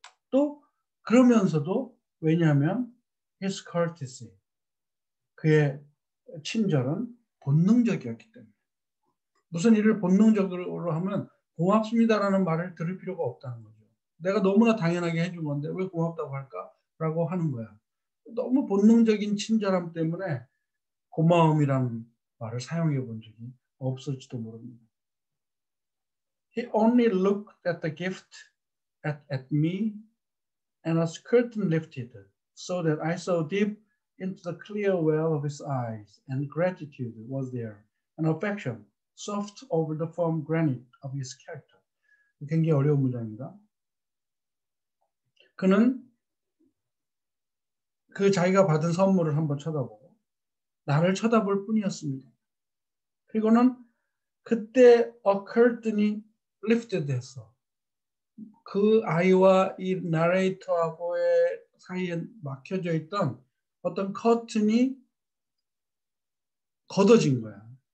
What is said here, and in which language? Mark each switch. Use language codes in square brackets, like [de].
[ko] 또 그러면서도 왜냐하면 [en] his courtesy, [ko] 그의 친절은 본능적이었기 때문에 무슨 일을 본능적으로 하면 고맙습니다라는 말을 들을 필요가 없다는 거죠. 내가 너무나 당연하게 해준 건데 왜 고맙다고 할까? 라고 하는 거야. 너무 본능적인 친절함 때문에 고마움이라는 말을 사용해 본 적이 없을지도 모릅니다. [en] He only looked at the gift at me and as curtain lifted so that I saw deep into the clear well of his eyes and gratitude was there and affection soft over the firm granite of his character. [ko] 굉장히 어려운 문장입니다. 그는 그 자기가 받은 선물을 한번 쳐다보고 나를 쳐다볼 뿐이었습니다. 그리고는 그때 [en] a curtain [ko] 이 lifted 해서 그 아이와 이 나레이터하고의 사이에 막혀져 있던 어떤 커튼이 걷어진 거야.